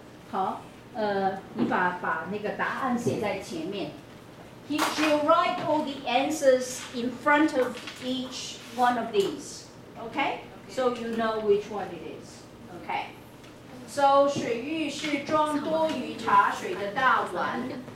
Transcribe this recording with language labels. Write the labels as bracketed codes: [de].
[zh] 好，你把那个答案写在前面. [en] She'll write all the answers in front of each one of these. Okay, so you know which one it is. Okay. [zh] So, 水浴是装多余茶水的大碗.